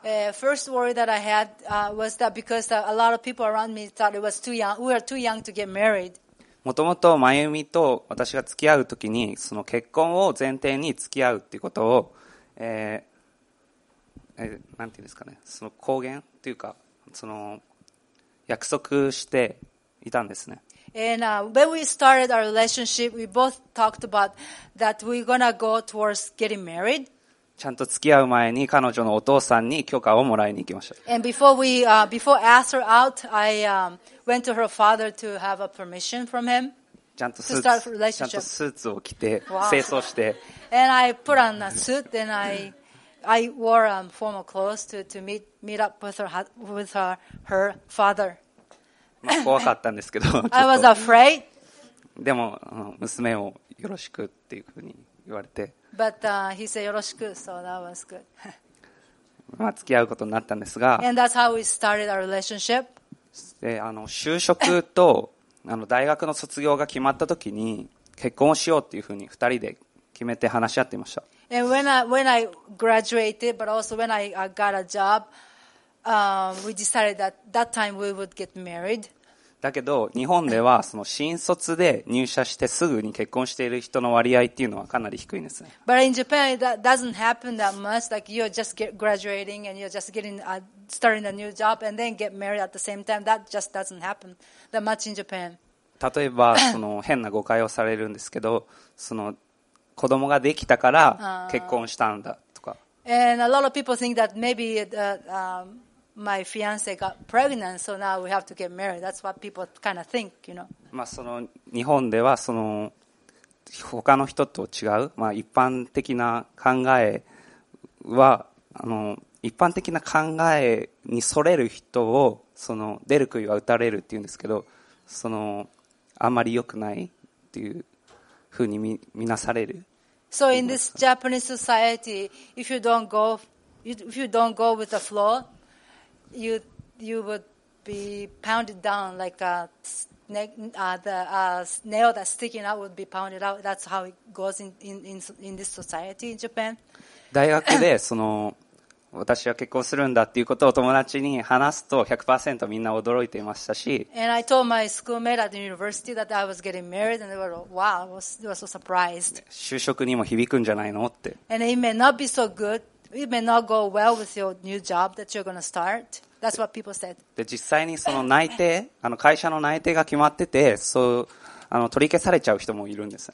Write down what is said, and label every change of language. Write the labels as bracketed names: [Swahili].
[English] first worry that I had, was that because a lot of people around me thought it was too young, we were too young to get married. [Japanese] もともと真由美と私が付き合うときに、その結婚を前提に付き合うっていうことを、なんていうんですかね、その公言というか、その約束していたんですね。 [English] And, when we started our relationship, we both talked about that we're gonna go towards getting married. [Japanese] ちゃんと付き合う前に彼女のお父さんに許可をもらいに行きました。 [English] And before we, before asked her out, I, went to her father to have a permission from him. [Japanese] ちゃんとスーツを着て、清掃して。 [English] And I put on a suit and I wore, formal clothes to meet up with her father. [Japanese] まあ、怖かったんですけど。 [English] I was afraid. [Japanese] でも、娘をよろしくっていうふうに言われて。 [English] But, he said よろしく、so that was good. [Japanese] まあ、付き合うことになったんですが。 [English] And that's how we started our relationship. [Japanese] で、就職と、大学の卒業が決まった時に、結婚をしようっていうふうに二人で決めて話し合っていました。 [English] And when I graduated, but also when I got a job, we decided that that time we would get married. [Japanese] だけど日本ではその新卒で入社してすぐに結婚している人の割合っていうのはかなり低いんですね。 [English] But in Japan that doesn't happen that much. Like you're just graduating and you're just getting starting a new job and then get married at the same time. That just doesn't happen that much in Japan. [Japanese] 例えばその変な誤解をされるんですけど、その子供ができたから結婚したんだとか。 [English] And a lot of people think that maybe my fiance got pregnant, so now we have to get married. That's what people kind of think, you know. [Japanese] まあその日本ではその他の人と違う、まあ一般的な考えは、あの一般的な考えにそれる人をその出る杭は打たれるっていうんですけど、そのあんまり良くないっていうふうに見なされる。 [English] So in this Japanese society, if you don't go with the flow, you would be pounded down like a nail that's sticking out would be pounded out. That's how it goes in this society in Japan. [Japanese] 大学でその私は結婚するんだっていうことを友達に話すと 100% みんな驚いていましたし。 [English] And I told my schoolmate at the university that I was getting married and they were like, wow, they were so surprised. [Japanese] 就職にも響くんじゃないのって。 [English] And it may not be so good. It may not go well with your new job that you're gonna start. That's what people said. [Japanese] で、実際にその内定、あの会社の内定が決まってて、そう、あの取り消されちゃう人もいるんです。